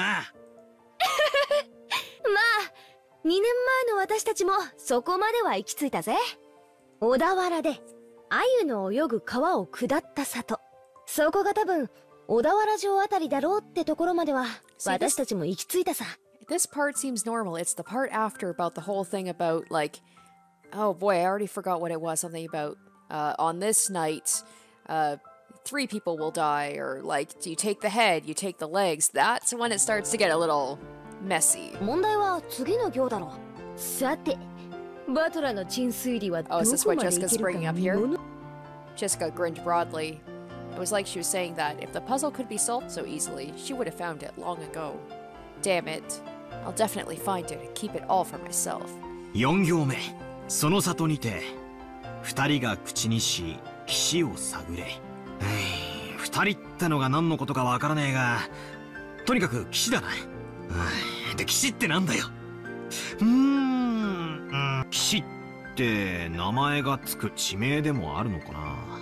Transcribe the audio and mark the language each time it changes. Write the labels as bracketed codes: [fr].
[ja] まあ2年前の私たちもそこまでは行き着いたぜ。小田原で鮎の泳ぐ川を下った里、そこが多分小田原城あたりだろうってところまでは私たちも行き着いたさ。 [en] This part seems normal. It's the part after about the whole thing about like, oh boy, I already forgot what it was. Something about, on this night, three people will die, or like, do you take the head, you take the legs. That's when it starts to get a little messy. [ja] 問題は次の行だろ。さて、バトラの沈水理はどこまで行けるか見物。 [en] Jessica grinned broadly. It was like she was saying that if the puzzle could be solved so easily, she would have found it long ago. Damn it. I'll definitely find it and keep it all for myself. [ja] 4行目。その里にて、二人が口にし、岸を探れ。二人ってのが何のことかわからねえが、とにかく岸だな。で、岸ってなんだよ。岸って名前がつく地名でもあるのかな。